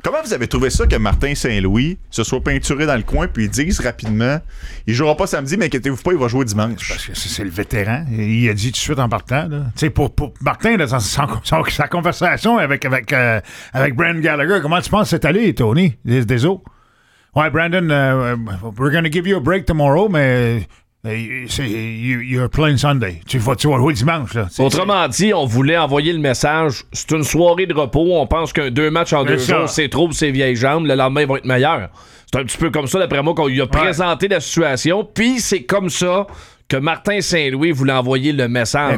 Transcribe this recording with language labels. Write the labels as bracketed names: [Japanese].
[French] Comment vous avez trouvé ça que Martin Saint-Louis se soit peinturé dans le coin puis il dise rapidement il jouera pas samedi, mais inquiétez-vous pas, il va jouer dimanche. Parce que c'est le vétéran. Il a dit tout de suite en partant. Tu sais, pour Martin, là, sa conversation avec Brandon Gallagher, comment tu penses que c'est allé, Tony? Des os. [English] Ouais, Brandon, we're going to give you a break tomorrow, mais. You're playing Sunday. [French] Tu vas jouer dimanche. Là. Autrement dit, on voulait envoyer le message. C'est une soirée de repos. On pense qu'un deux matchs en deux jours, c'est trop pour ses vieilles jambes. Le lendemain, ils vont être meilleurs. C'est un petit peu comme ça, d'après moi, qu'on lui a présenté la situation. Puis c'est comme ça que Martin Saint-Louis voulait envoyer le message.